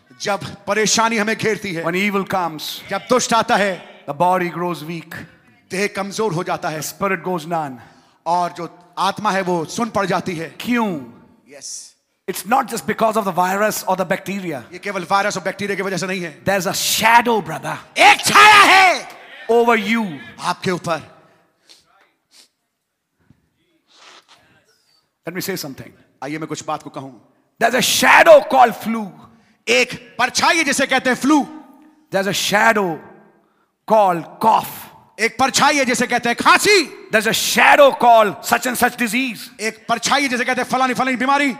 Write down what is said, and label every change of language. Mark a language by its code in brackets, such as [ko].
[hi] जब परेशानी हमें घेरती है. [en] When evil comes. [hi] जब दुष्ट आता है. [en] The body grows weak. [hi] देह कमजोर हो जाता है. [en] The spirit goes numb. [hi] और जो आत्मा है वो सुन पड़ जाती है. क्यों? [en] Yes. It's not just because of the virus or the bacteria. [hi] ये केवल वायरस और बैक्टीरिया की वजह से नहीं है. [en] There's a shadow, brother. [hi] एक छाया है. [en] Over you. [hi] आपके ऊपर. [en] Let me say something. [hi] आइए मैं कुछ बात को कहूँ. [en] There's a shadow called flu. [hi] एक परछाई है जिसे कहते हैं flu. [en] There's a shadow called cough. [hi] एक परछाई है जिसे कहते हैं खांसी. [en] There's a shadow called such and such disease. [hi] एक परछाई जिसे कहते हैं फलानी फलानी बीमारी.